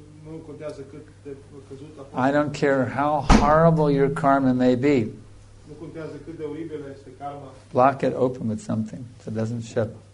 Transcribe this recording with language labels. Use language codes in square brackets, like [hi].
[ro] Nu contează cât de căzut a fost. [en] I don't care how horrible your karma may be. [ro] Nu contează cât de oribilă este karma. [en] Block it open with something so it doesn't shut.